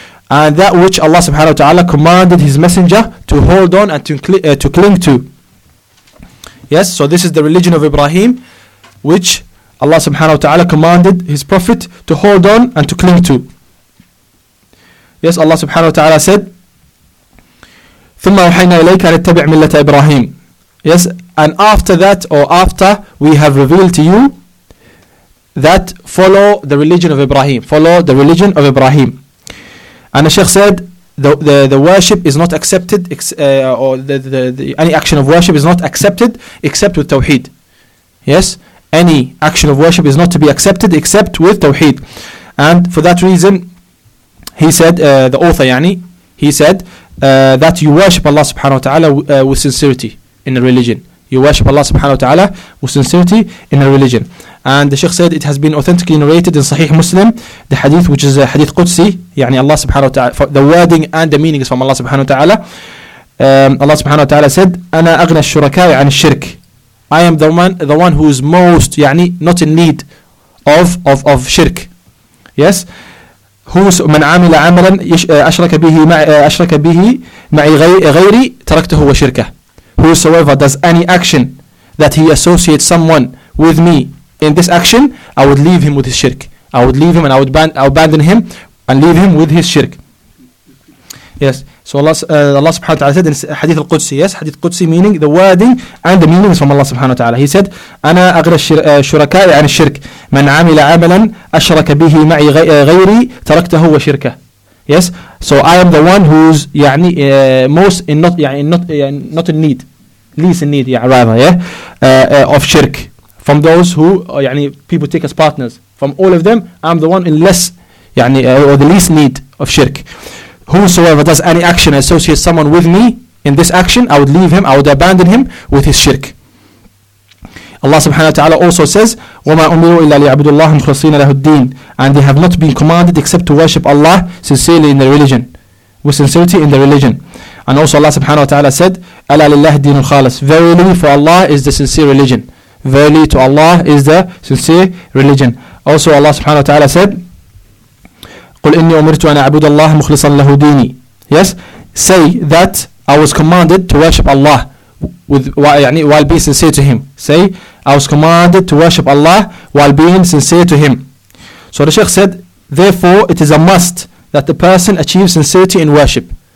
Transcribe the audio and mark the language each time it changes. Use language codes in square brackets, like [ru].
[en] And that which Allah subhanahu wa ta'ala commanded his messenger to hold on and to cling to. Yes, so this is the religion of Ibrahim, which Allah subhanahu wa ta'ala commanded his prophet to hold on and to cling to. Yes, Allah subhanahu wa ta'ala said, [ar] ثم أوحينا إليك أن اتبع ملة إبراهيم. [en] Yes, and after that, or after we have revealed to you that follow the religion of Ibrahim, follow the religion of Ibrahim. And the Sheikh said the worship is not accepted, any action of worship is not accepted except with Tawheed. Yes, any action of worship is not to be accepted except with Tawheed. And for that reason, he said, the author, يعني, he said that you worship Allah subhanahu wa ta'ala with sincerity in the religion. You worship Allah subhanahu wa ta'ala with sincerity in the religion. And the Sheikh said it has been authentically narrated in Sahih Muslim, the hadith, which is a hadith Qudsi, يعني Allah subhanahu wa ta'ala, the wording and the meaning is from Allah subhanahu wa ta'ala. Allah subhanahu wa ta'ala said, [ar] أنا أغنى الشركاء عن الشرك. [en] I am the one who is most, يعني, not in need of shirk. Yes, who [ar] من عامل عملا أشرك به معي غيري تركته وشركه. [en] Whosoever does any action that he associates someone with me in this action, I would leave him with his shirk. I would leave him and I would abandon him and leave him with his shirk. Yes. So Allah subhanahu wa ta'ala said in Hadith al-Qudsi, yes, Hadith al-Qudsi meaning the wording and the meaning is from Allah subhanahu wa ta'ala. He said, [ar] أنا أغنى الشركاء عن الشرك من عمل عملا أشرك به معي غيري تركته وشركه. [en] Yes, so I am the one who's يعني most in not يعني not not in need, least in need, yeah, rather, yeah, of shirk from those who يعني people take as partners. From all of them, I'm the one in less يعني or the least need of shirk. Whosoever does any action associates someone with me in this action, I would leave him, I would abandon him with his shirk. Allah subhanahu wa ta'ala also says, [ar] وَمَا أُمِرُوا إِلَّا لِيَعْبُدُوا اللَّهَ مُخْلِصِينَ لَهُ الدِّينَ. [en] And they have not been commanded except to worship Allah sincerely in the religion, with sincerity in the religion. And also Allah subhanahu wa ta'ala said, [ar] أَلَا لِلَّهِ الدِّينُ الْخَالِصُ. [en] Verily for Allah is the sincere religion. Verily to Allah is the sincere religion. Also Allah subhanahu wa ta'ala said, [ar] قُلْ إِنِّي أُمِرْتُ أَنَا أَعْبُدَ اللَّهَ مُخْلِصًا لَهُ دِينِي. [en] Yes, say that I was commanded to worship Allah with while being sincere to him. Say, I was commanded to worship Allah while being sincere to him. So the Sheikh said, therefore it is a must that the person achieves sincerity in worship.